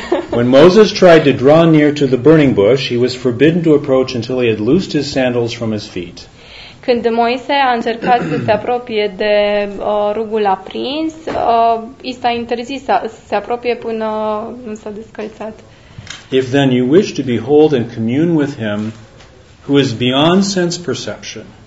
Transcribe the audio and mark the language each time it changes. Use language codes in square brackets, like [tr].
[en] When Moses tried to draw near to the burning bush, he was forbidden to approach until he had loosed his sandals from his feet. [ro] Când Moise a încercat să se apropie de rugul aprins, i s-a interzis să se apropie până nu s-a descălțat. [en] If then you wish to behold and commune with him who is beyond sense perception.